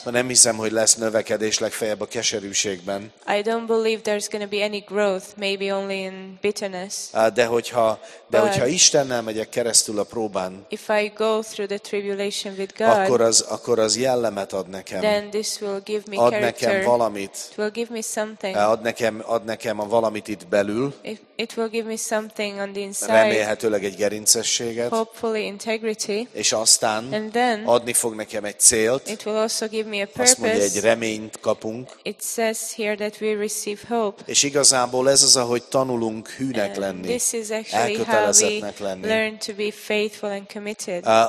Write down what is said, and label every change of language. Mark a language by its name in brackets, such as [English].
[Hungarian] ha nem hiszem, hogy lesz növekedés legfeljebb a keserűségben. [English] I don't believe there's going to be any growth, maybe only in bitterness. [Hungarian] De hogyha Istennel megyek keresztül a próbán, [English] if I go through the tribulation with God, [Hungarian] akkor az jellemet ad nekem. [English] Then this will give me [Hungarian] ad nekem valamit. [English] It will give me something. [Hungarian] Ad nekem a valamit itt belül. [English] It will give me something on the inside. [Hungarian] Remélhetőleg egy gerincességet. [English] Hopefully integrity. [Hungarian] És aztán [English] and then, [Hungarian] adni fog nekem egy célt. [English] It will also give me a purpose. [Hungarian] Azt mondja, egy reményt kapunk. [English] It says here that we receive hope. [Hungarian] És igazából ez az, ahogy tanulunk hűnek lenni. [English] This is actually [Hungarian] elkötelezettnek lenni. [English] How we learn to be faithful and committed.